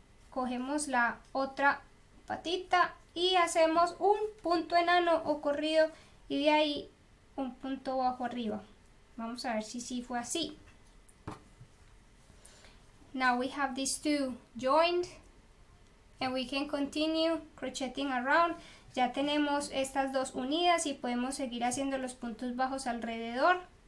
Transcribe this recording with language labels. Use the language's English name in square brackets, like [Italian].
[Spanish] Cogemos la otra patita y hacemos un punto enano o corrido y de ahí un punto bajo arriba. Vamos a ver si sí fue así. [English] Now we have these two joined and we can continue crocheting around. [Spanish] Ya tenemos estas dos unidas y podemos seguir haciendo los puntos bajos alrededor.